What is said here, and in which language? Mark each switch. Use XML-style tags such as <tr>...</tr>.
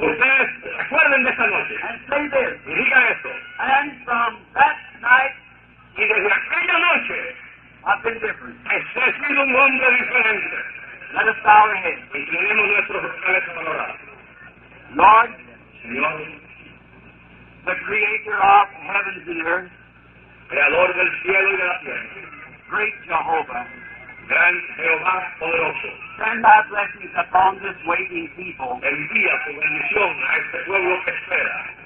<es>ustedes se acuerden de esta noche,</es> <en>and say this,</en> <es>y diga esto,</es> <en>and from that night,</en> <es>y desde aquella noche,</es> <en>I've been different.</en> <es>He sido un hombre diferente.</es> <en>Let us bow our heads.</en> <es>Inclinemos nuestros cabezas para orar.</es> <en>Lord,</en> <es>Señor,</es> <en>the creator of heavens and earth,</en> <es>creador del cielo y de la tierra,</es> <en>great Jehovah,</en> <es>gran Jehová poderoso,</es> <en>send thy blessings upon this waiting people.</en> <es>Envía tu bendición a este pueblo que espera.</es>